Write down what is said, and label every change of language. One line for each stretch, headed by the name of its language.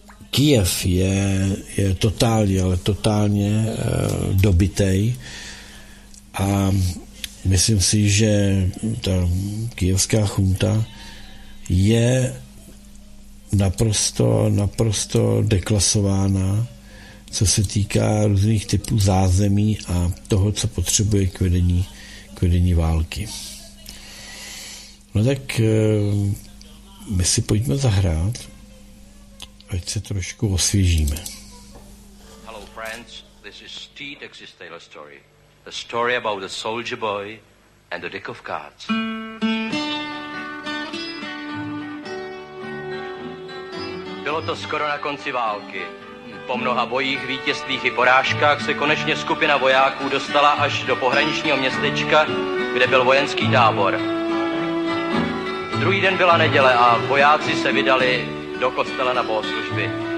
Czech: Kyjev je totálně, ale totálně dobitej a myslím si, že ta kyjevská chunta je naprosto deklasována, co se týká různých typů zázemí a toho, co potřebuje k vedení války. No tak my si pojďme zahrát, ať se trošku osvěžíme.
English: Hello friends, this is Steve Dexys Taylor story. A story about the soldier boy and the deck of cards.
Czech: Bylo to skoro na konci války. Po mnoha bojích, vítězstvích i porážkách se konečně skupina vojáků dostala až do pohraničního městečka, kde byl vojenský tábor. Druhý den byla neděle a vojáci se vydali do kostela na bohoslužby.